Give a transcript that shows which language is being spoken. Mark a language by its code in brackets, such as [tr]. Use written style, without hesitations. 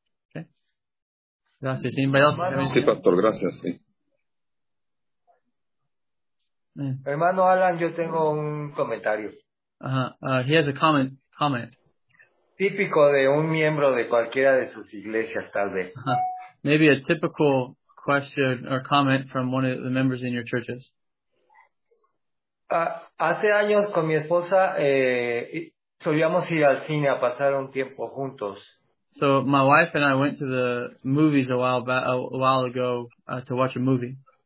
[es] Okay. Gracias. ¿Invadió? Sí, pastor. Gracias. Sí. Hermano Alan, yo tengo un comentario. [en] He has a comment. [es] Típico de un miembro de cualquiera de sus iglesias, tal vez. [en] Maybe a typical question or comment from one of the members in your churches. [es] Hace años con mi esposa solíamos ir al cine a pasar un tiempo juntos. [en] So my wife and I went to the movies a while ago to watch a movie.